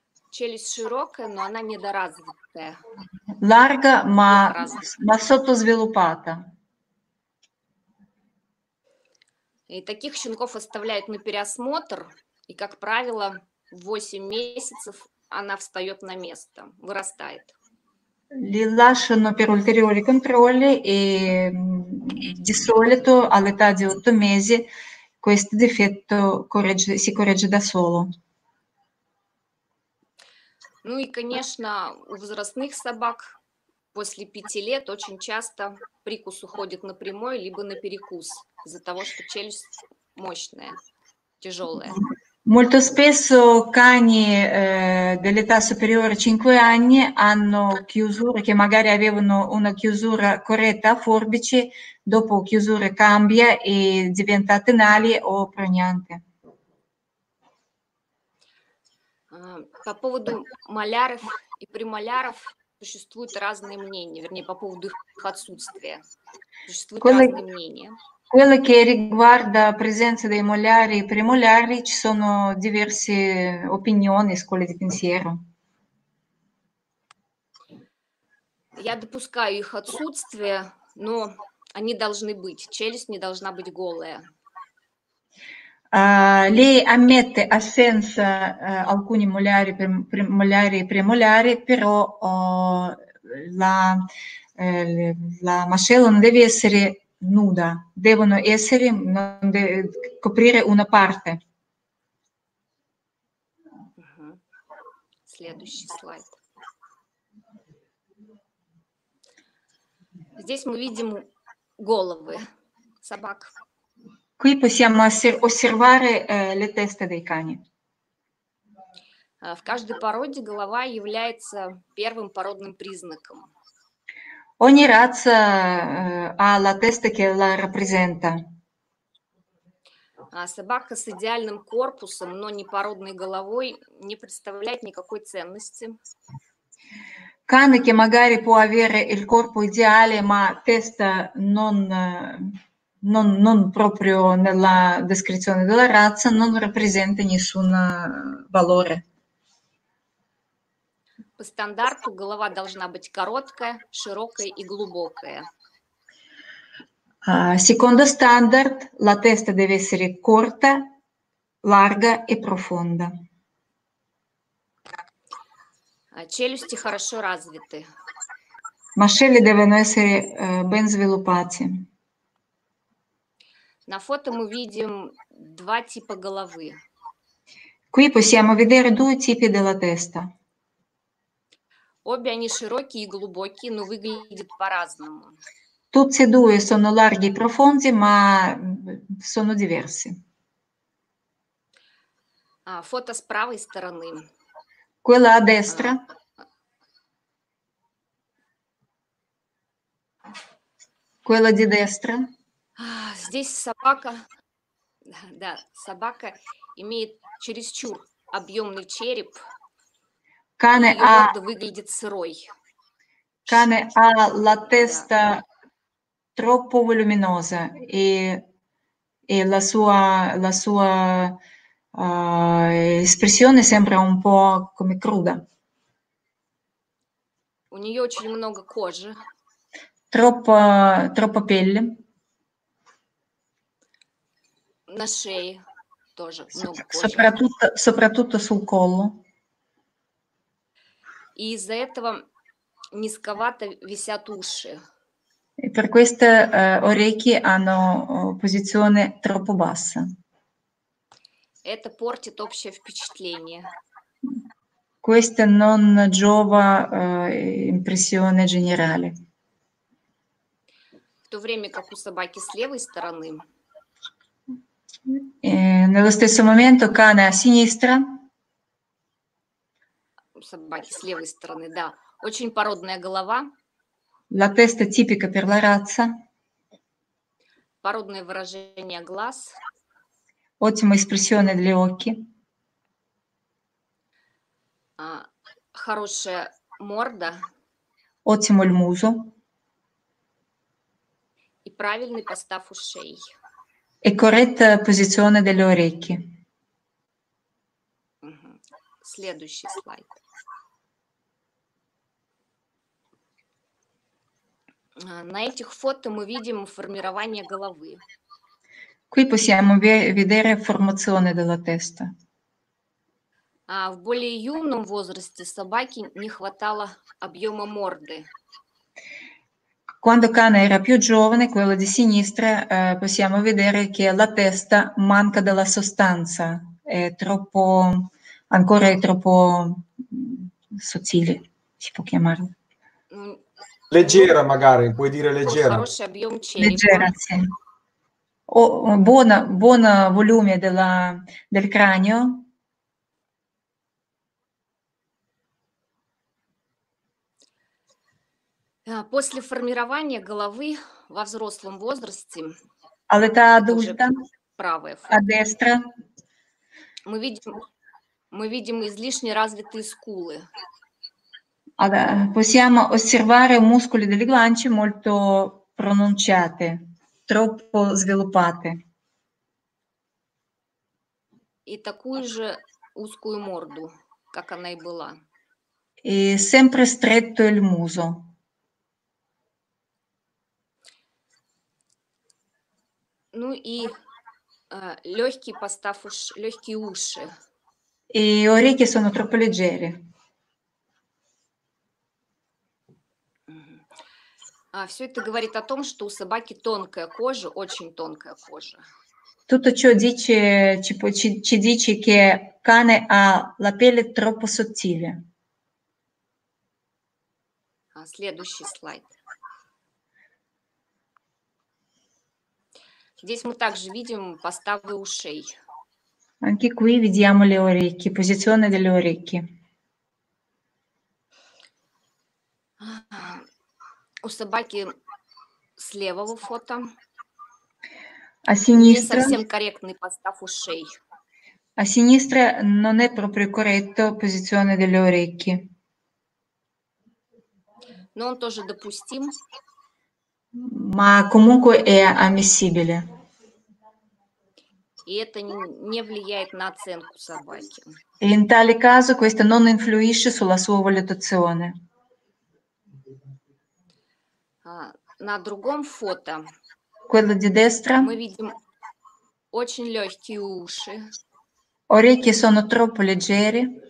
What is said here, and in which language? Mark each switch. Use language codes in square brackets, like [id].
[ru] Челюсть широкая, но она недоразвитая. [it] Ларга, ма сото звелупата. [ru] И таких щенков оставляют на переосмотр, и, как правило, в 8 месяцев она встает на место, вырастает. [it] Li lasciano per ulteriori controlli e di solito all'età di 8 mesi questo difetto si corregge da solo. [ru] Ну и конечно, у возрастных собак после 5 лет очень часто прикус уходит на прямой либо на перекус из-за того, что челюсть мощная, тяжелая. [it] Molto spesso cani dell'età superiore a 5 anni hanno chiusure che magari avevano una chiusura corretta a forbici, dopo chiusura cambia e diventa tenale o proniante. [ru] По поводу маляров и премаляров существуют разные мнения, вернее, по поводу их отсутствия. Разные мнения. [it] Quello che riguarda la presenza dei molari e premolari, ci sono diverse opinioni, scuole di pensiero. [ru] Я допускаю их отсутствие, но они должны быть. Челюсть не должна быть голая. [it] Lei ammette assenza alcuni molari, molari e premolari, però la mascella non deve essere nuda, devono essere, non deve coprire una parte. [ru] Следующий слайд. Здесь мы видим головы собак. [it] Qui possiamo osservare le teste dei cani. [ru] В каждой породе голова является первым породным признаком. [it] Ogni razza ha la testa che la rappresenta. [ru] Собака с идеальным корпусом, но не породной головой, не представляет никакой ценности. [it] Cane che magari può avere il corpo ideale, ma testa non proprio nella descrizione della razza, non rappresenta nessun valore. [ru] По стандарту голова должна быть короткая, широкая и глубокая. [it] Secondo standard, la testa deve essere corta, larga e profonda. [ru] Челюсти хорошо развиты. [it] Mascelle devono essere ben sviluppate. [ru] На фото мы видим два типа головы. [it] Qui possiamo vedere due tipi della testa. [ru] Обе они широкие и глубокие, но выглядят по-разному. [it] Tutti e due sono larghi e profondi, ma sono diversi. [ru] Фото с правой стороны. [it] Quella a destra. Quella di destra. [ru] Здесь собака, да, собака имеет чересчур объемный череп. [it] Cane ha, [ru] выглядит сырой. [it] Cane ha la testa troppo voluminosa e la sua espressione sembra un po' come cruda. [ru] У нее очень много кожи. [it] Troppa pelle. [ru] На шее тоже много кожи. [it] Soprattutto sul collo. [ru] И из-за этого низковато висят уши. И [it] per questo orecchie hanno posizione troppo bassa. [ru] Это портит общее впечатление. [it] questa non giova impressione generale. [ru] В то время как у собаки с левой стороны. [it] Nello stesso momento cane a sinistra. [ru] Собаки с левой стороны, да. Очень породная голова. [it] La testa tipica per la razza. [ru] Породное выражение глаз. [it] Ottima espressione degli occhi. [ru] Хорошая морда. [it] Ottimo il muso. [ru] И правильный постав ушей. [it] E corretta posizione delle orecchie. [ru] Следующий слайд. На этих фото мы видим формирование головы. [it] Qui possiamo vedere formazione della testa. В более юном возрасте собаке не хватало объема морды. Quando cane era più giovane, quello di sinistra, possiamo vedere che la testa manca della sostanza, è troppo, ancora è troppo sottile, si può chiamare. Leggera magari, puoi dire leggera. Leggera, sì. Buona volume del cranio. [ru] После формирования головы во взрослом возрасте, [it] all'età adulta, [ru] правая форма, [it] a destra, [ru] мы видим излишне развитые скулы. [it] Possiamo osservare muscoli delle guance molto pronunciate, troppo sviluppate. [ru] И такую же узкую морду, как она и была. [it] E sempre stretto il muso. [ru] Ну и легкий постав уш, легкие уши. И орехи [it] sono troppo leggeri. [ru] Все это говорит о том, что у собаки тонкая кожа, очень тонкая кожа. [it] Tutto ciò dice ci dice che cane ha la pelle troppo sottile. [ru] Следующий слайд. Здесь мы также видим поставы ушей. [it] Anche qui vediamo le orecchie, posizione delle orecchie. [ru] У собаки с левого фото. [it] A sinistra. [ru] Не совсем корректный постав ушей. [it] A sinistra non è proprio corretto posizione delle orecchie. [ru] Но он тоже допустим. [it] Ma comunque è ammissibile. [ru] И это не влияет на оценку собаки. [it] In tale caso questo non influisce sulla sua valutazione. [ru] На другом фото. [it] Quello di destra. [ru] Мы видим очень легкие уши. [it] Orecchie sono troppo leggeri.